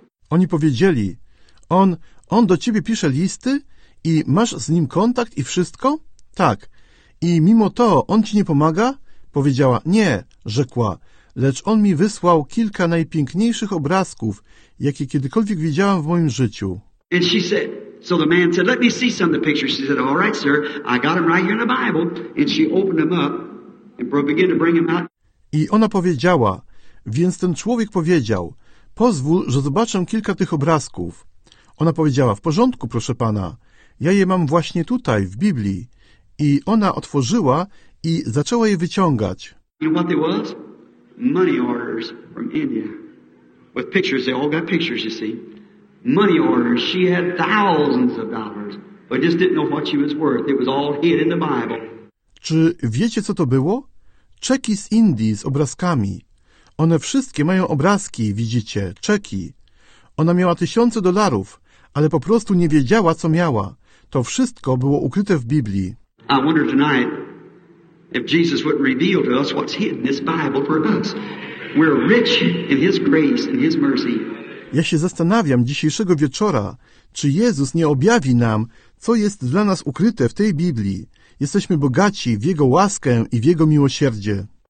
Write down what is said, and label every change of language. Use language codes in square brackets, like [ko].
[pl] Oni powiedzieli, on do ciebie pisze listy i masz z nim kontakt i wszystko? Tak. I mimo to on ci nie pomaga? Powiedziała, nie, rzekła. Lecz on mi wysłał kilka najpiękniejszych obrazków, jakie kiedykolwiek widziałam w moim życiu. [en] And she said, so the man said, let me see some of the pictures. She said, all right, sir, I got them right here in the Bible. And she opened them up and began to bring them out. [pl] I ona powiedziała, więc ten człowiek powiedział, pozwól, że zobaczę kilka tych obrazków. Ona powiedziała, w porządku, proszę pana, ja je mam właśnie tutaj, w Biblii. I ona otworzyła i zaczęła je wyciągać. [en] You know what they was? Money orders from India. With pictures, they all got pictures, you see. Money orders, she had thousands of dollars, but just didn't know what she was worth. It was all hid in the Bible. [pl] Czy wiecie, co to było? Czeki z Indii z obrazkami. One wszystkie mają obrazki, widzicie, czeki. Ona miała tysiące dolarów, ale po prostu nie wiedziała, co miała. To wszystko było ukryte w Biblii. [en] I wonder tonight if Jesus wouldn't reveal to us what's hidden in this Bible for us. We're rich in His grace and His mercy. [pl] Ja się zastanawiam dzisiejszego wieczora, czy Jezus nie objawi nam, co jest dla nas ukryte w tej Biblii. Jesteśmy bogaci w Jego łaskę i w Jego miłosierdzie.